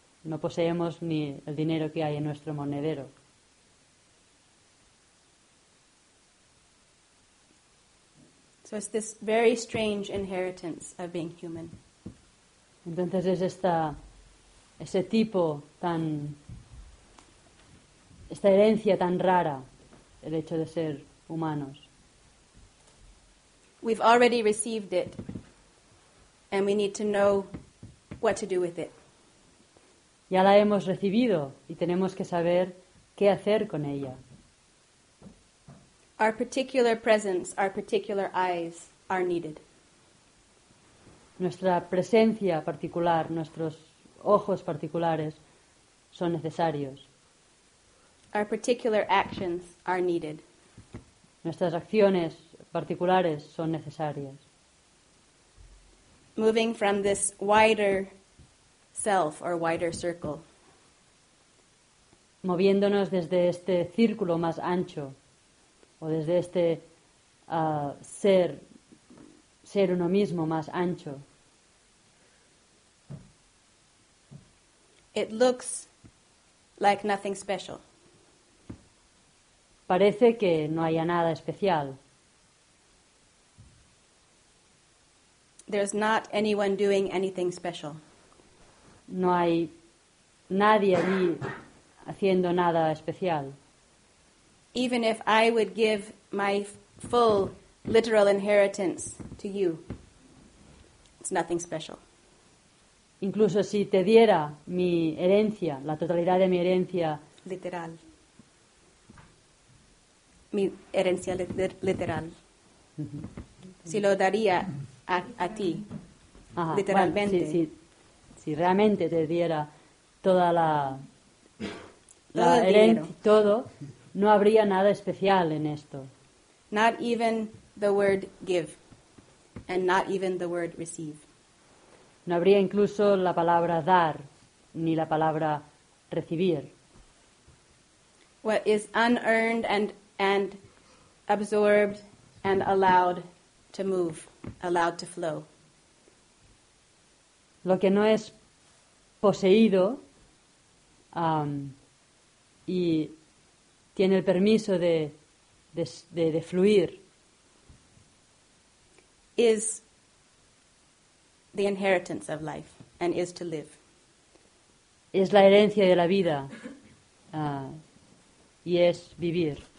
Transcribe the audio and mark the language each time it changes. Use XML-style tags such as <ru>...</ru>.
<es>No poseemos ni el dinero que hay en nuestro monedero.</es> <en>So it's this very strange inheritance of being human.</en> <es>Entonces es esta, ese tipo tan, esta herencia tan rara, el hecho de ser humanos.</es> <en>We've already received it, and we need to know what to do with it.</en> <es>Ya la hemos recibido y tenemos que saber qué hacer con ella.</es> <en>Our particular presence, our particular eyes are needed.</en> <es>Nuestra presencia particular, nuestros ojos particulares son necesarios.</es> <en>Our particular actions are needed.</en> <es>Nuestras acciones particulares son necesarias.</es> <en>Moving from this wider self or wider circle.</en> <es>Moviéndonos desde este círculo más ancho. O desde este ser uno mismo más ancho.</es> <en>It looks like nothing special.</en> <es>Parece que no haya nada especial.</es> <en>There's not anyone doing anything special.</en> <es>No hay nadie allí haciendo nada especial.</es> <en>Even if I would give my full literal inheritance to you, it's nothing special.</en> <es>Incluso si te diera mi herencia, la totalidad de mi herencia literal. Mi herencia literal. Mm-hmm. Si lo daría a ti, literalmente. Bueno, si realmente te diera toda la herencia, todo. No habría nada especial en esto.</es> <en>Not even the word give, and not even the word receive.</en> <es>No habría incluso la palabra dar, ni la palabra recibir.</es> <en>What is unearned and absorbed and allowed to move, allowed to flow.</en> <es>Lo que no es poseído y tiene el permiso de fluir.</es> <en>Is the inheritance of life and is to live.</en> <es>Es la herencia de la vida y es vivir.</es>